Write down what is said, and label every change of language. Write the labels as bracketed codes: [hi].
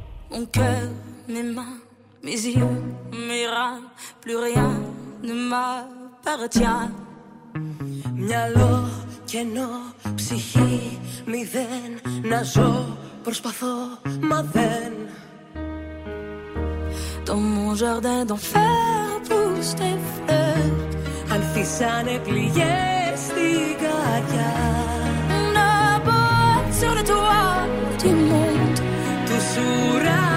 [fr] Mon cœur, mes mains, mes yeux, mes reins, plus rien ne m'appartient. [el] Μυαλό κενό, ψυχή μηδέν, να ζω, προσπαθώ, μα δεν. [fr] Dans mon jardin d'enfer poussent tes fleurs, [el] ανθίσανε πληγές στην καρδιά. Να πω, [fr] sur le toit du monde, [el] του ουρανού.